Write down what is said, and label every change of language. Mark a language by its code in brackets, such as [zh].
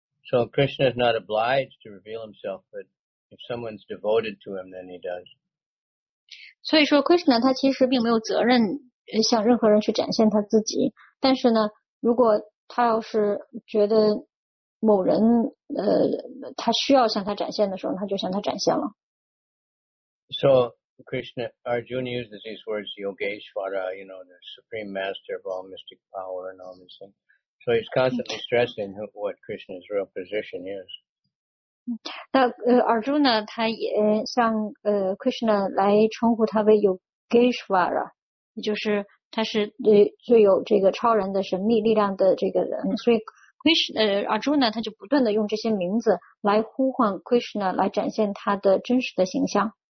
[en] So Krishna is not obliged to reveal himself, but if someone's devoted to him, then he does. [zh] 所以说 Krishna 他其实并没有责任向任何人去展现他自己，但是呢，如果他要是觉得某人他需要向他展现的时候，他就向他展现了。 [en] So Krishna, Arjuna uses these words, Yogeshwara, you know, the supreme master of all mystic power and all these things. So he's constantly stressing what Krishna's real position is. [zh] 那Arjuna 他也向Krishna 来称呼他为 Yogeshwara， 也就是他是最有这个超人的神秘力量的这个人，所以Arjuna 他就不断的用这些名字来呼唤 Krishna 来展现他的真实的形象。